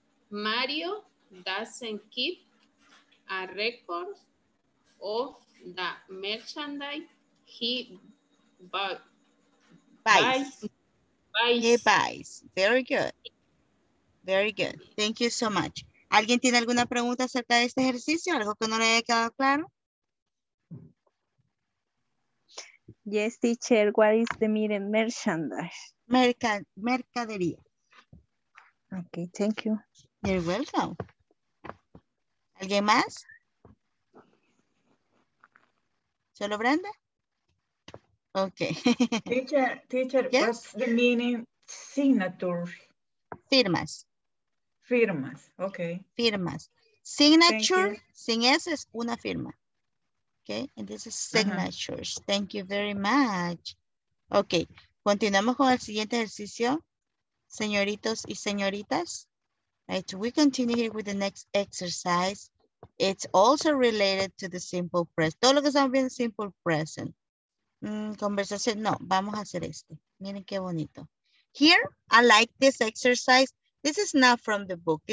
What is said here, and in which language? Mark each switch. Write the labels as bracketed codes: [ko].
[en] Mario doesn't keep a record of the merchandise he buys. Very good. Very good. Thank you so much. [es] ¿Alguien tiene alguna pregunta acerca de este ejercicio? ¿Algo que no le haya quedado claro? [en] Yes, teacher. What is the meaning? Merchandise. [es] Mercadería. [en] Okay, thank you. You're welcome. [es] ¿Alguien más? ¿Solo Brenda? Okay. [en] Teacher, yes? What's the meaning? Signature. [es] Firmas. Firmas, okay. Firmas. Signature, sin S, es una firma. [en] Okay, and this is signatures. Uh-huh. Thank you very much. [es] Okay, continuamos con el siguiente ejercicio, señoritos y señoritas. [en] Right, we continue here with the next exercise. It's also related to the simple present. [es] Todo lo que estamos viendo es [en] simple present. [es] Conversación, no, vamos a hacer este. Miren qué bonito. [en] Here, I like this exercise. This is not from the book.